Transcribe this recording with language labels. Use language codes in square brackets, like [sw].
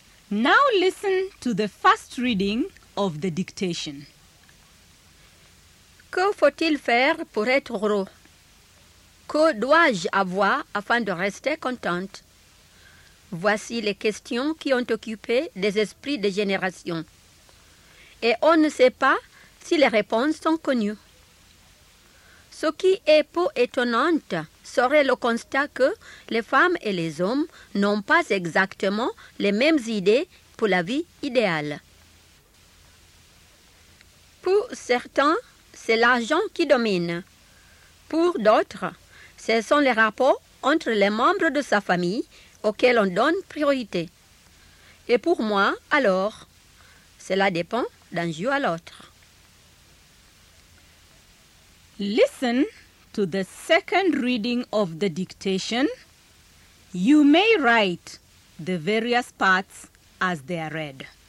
[en] Now listen to the first reading of the dictation. [fr] Que faut-il faire pour être heureux? Que dois-je avoir afin de rester contente? Voici les questions qui ont occupé les esprits des générations. Et on ne sait pas si les réponses sont connues. Ce qui est peu étonnant serait le constat que les femmes et les hommes n'ont pas exactement les mêmes idées pour la vie idéale. Pour certains, c'est l'argent qui domine. Pour d'autres, ce sont les rapports entre les membres de sa famille auxquels on donne priorité. Et pour moi, alors, cela dépend d'un jour à l'autre. [en] Listen to the second reading of the dictation. You may write the various parts as they are read.